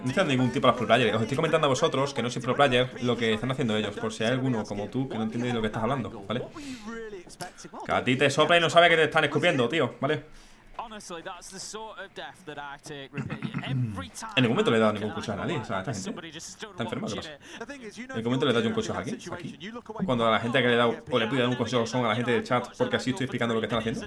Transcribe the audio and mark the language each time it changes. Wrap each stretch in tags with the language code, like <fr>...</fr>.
<es>No necesitan ningún tipo a los pro players. Os estoy comentando a vosotros que no soy pro player lo que están haciendo ellos, por si hay alguno como tú que no entiende de lo que estás hablando, ¿vale? Que a ti te sopla y no sabe que te están escupiendo, tío, ¿vale?</es> <en>Honestly, that's the sort of death that I take.</en> <es>En ningún momento le he dado ningún cuchillo a nadie. O sea, esta gente está enferma, ¿qué pasa? En ningún momento le he dado yo un cuchillo a alguien. Aquí. Cuando a la gente que le he dado o le he pedido un cuchillo son a la gente del chat porque así estoy explicando lo que están haciendo.</es>